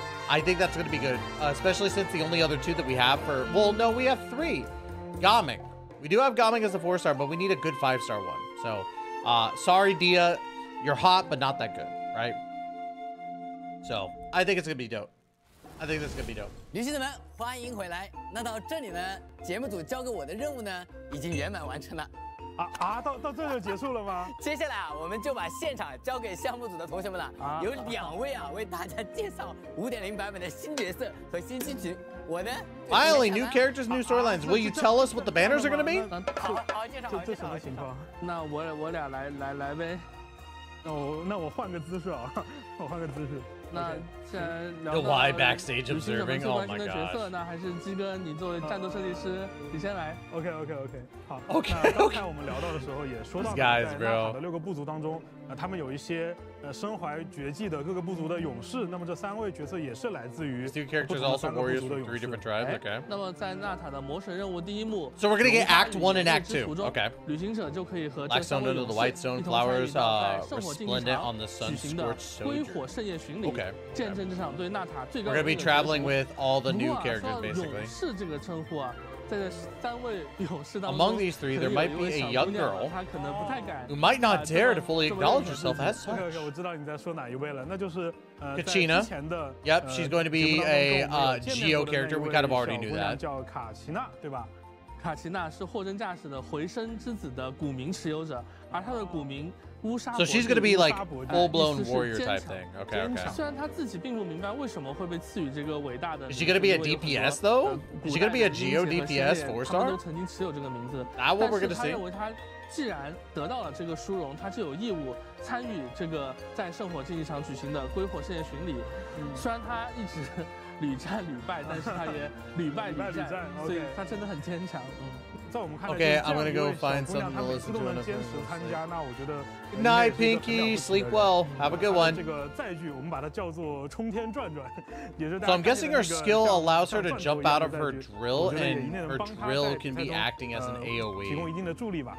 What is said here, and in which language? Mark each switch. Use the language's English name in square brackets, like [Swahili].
[English] I think that's going to be good, especially since the only other two that we have for... Well, no, we have three. Gaming. We do have Gaming as a four-star, but we need a good five-star one. So Sorry, Dia, you're hot, but not that good, right? So, I think it's gonna be dope. I think this is gonna be dope. [Chinese] 女性们，欢迎回来。那到这里呢，节目组交给我的任务呢，已经圆满完成了。到这就结束了吗？接下来啊，我们就把现场交给项目组的同学们了。有两位啊，为大家介绍5.0版本的新角色和新剧情。我呢 [English] ，Finally, new characters, new storylines. Will you tell us what the banners are going to be? [Chinese] 好，介绍。这什么情况？那我俩来呗。那我换个姿势啊，我换个姿势。那现在 [English] The why backstage observing? Oh my god. [Chinese] 角色呢？还是基哥，你作为战斗设计师，你先来。 OK. 好。 [English] OK. [Chinese] 刚才我们聊到的时候也说到，在纳塔的六个部族当中，他们有一些身怀绝技的各个部族的勇士。那么这三位角色也是来自于不同的三个部族的勇士。 [English] Okay. [Chinese] 那么在纳塔的魔神任务第一幕 [English] ，So we're gonna get Act One and Act Two. OK. [Chinese] 旅行者就可以和这三位勇士一同参与在圣火竞技场举行的归火盛宴巡礼。 [English] Okay. [Chinese] 见证这场对纳塔最高荣誉。 [English] We're gonna be traveling with all the new characters, basically. [Chinese] 勇士这个称呼啊。 [English] Among these three, there might be a young girl who might not dare to fully acknowledge herself as such. Okay, [Chinese] 我知道你在说哪一位了。那就是 [English] Kachina. Yep, she's going to be a Geo character. We kind of already knew that. [Chinese] 叫卡奇娜，对吧？卡奇娜是货真价实的回声之子的古名持有者，而她的古名。 [English] So she's gonna be like full-blown warrior type thing. Okay. [Chinese] 虽然他自己并不明白为什么会被赐予这个伟大的。 [English] Is she gonna be a DPS though? Is she gonna be a Geo DPS four star? [Chinese] 他们都曾经持有这个名字。 [English] That's what we're gonna see. [Chinese] 但是他认为他既然得到了这个殊荣，他就有义务参与这个在圣火竞技场举行的归火盛宴巡礼。虽然他一直屡战屡败，但是他也屡败屡战，所以他真的很坚强。 [English] Okay, I'm gonna go find something to listen to. Night, Pinky. Sleep well. Have a good one. So I'm guessing her skill allows her to jump out of her drill, and her drill can be acting as an AoE.